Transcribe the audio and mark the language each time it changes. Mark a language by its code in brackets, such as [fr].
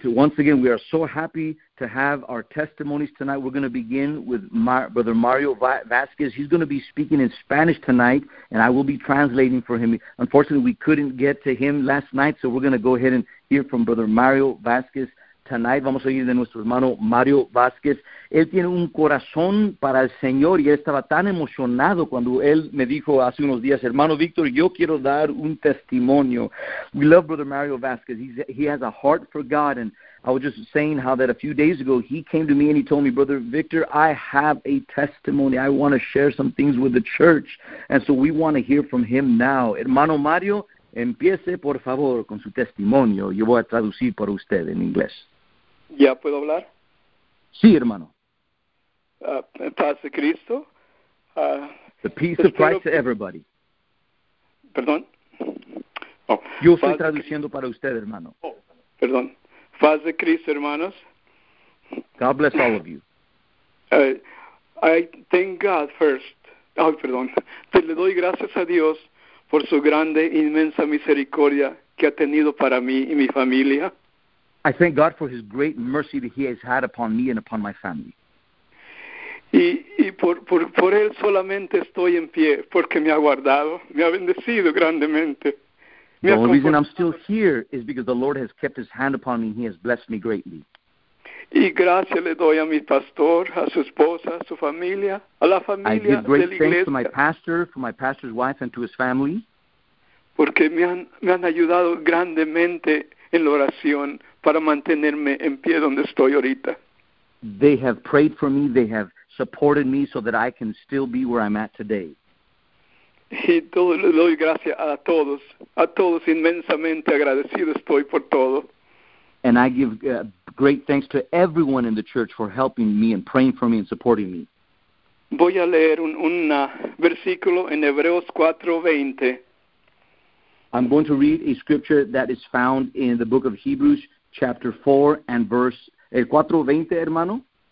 [en] Once again, we are so happy to have our testimonies tonight. We're going to begin with Brother Mario Vasquez. He's going to be speaking in Spanish tonight, and I will be translating for him. Unfortunately, we couldn't get to him last night, so we're going to go ahead and hear from Brother Mario Vasquez tonight. [es] Vamos a oír de nuestro hermano Mario Vasquez. Él tiene un corazón para el Señor, y él estaba tan emocionado cuando él me dijo hace unos días, hermano Víctor, yo quiero dar un testimonio. [en] We love Brother Mario Vasquez. He has a heart for God, and I was just saying how that a few days ago he came to me and he told me, Brother Victor, I have a testimony. I want to share some things with the church, and so we want to hear from him now. [es] Hermano Mario, empiece, por favor, con su testimonio. Yo voy a traducir para usted en inglés. ¿Ya puedo hablar? Sí, hermano. Paz de Cristo. [en] The peace of Christ to everybody. [es] ¿Perdón? Oh, yo estoy traduciendo para usted, hermano. Oh, perdón. Paz de Cristo, hermanos. [en] God bless all of you. I thank God first. Ay, oh, [es] perdón. Te le doy gracias a Dios por su grande e inmensa misericordia que ha tenido para mí y mi familia. [en] I thank God for his great mercy that he has had upon me and upon my family. [es] Y por él solamente estoy en pie, porque me ha guardado, me ha bendecido grandemente. [en] The only reason I'm still here is because the Lord has kept his hand upon me and he has blessed me greatly. [es] Y gracias le doy a mi pastor, a su esposa, a su familia, a la familia de la iglesia. [en] I give great thanks to my pastor, for my pastor's wife, and to his family. [es] Porque me han ayudado grandemente en la oración para mantenerme en pie donde estoy ahorita. [en] They have prayed for me, they have supported me so that I can still be where I'm at today. [es] Y todo, le doy gracias a todos inmensamente agradecido estoy por todo. [en] And I give great thanks to everyone in the church for helping me and praying for me and supporting me. [es] Voy a leer un versículo en Hebreos 4:20. [en] I'm going to read a scripture that is found in the book of Hebrews, chapter 4 and verse 4:20, [es] hermano.